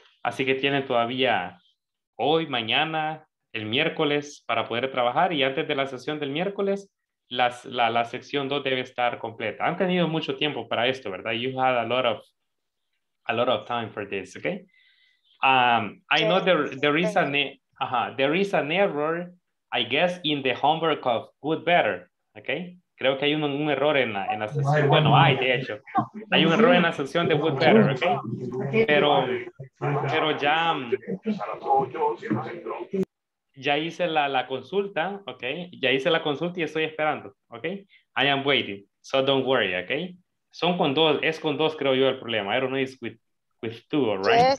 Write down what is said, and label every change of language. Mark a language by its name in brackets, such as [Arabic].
[Spanish] Así que tienen todavía hoy, mañana, el miércoles para poder trabajar y antes de la sesión del miércoles, la sección 2 debe estar completa. Han tenido mucho tiempo para esto, ¿verdad? [English] You had a lot of time for this, okay? I know there is an error, I guess, in the homework of Good Better, okay? [Spanish] Creo que hay un error en la sesión. Bueno, hay, de hecho. Hay un error en la sesión de Wood Better, ¿ok? Pero ya... Ya hice la consulta, ¿ok? Ya hice la consulta y estoy esperando, ¿ok? [English] I am waiting, so don't worry, [Spanish] ¿ok? Son con dos, es con dos, creo yo, el problema. [English] I don't know if it's with two, all right?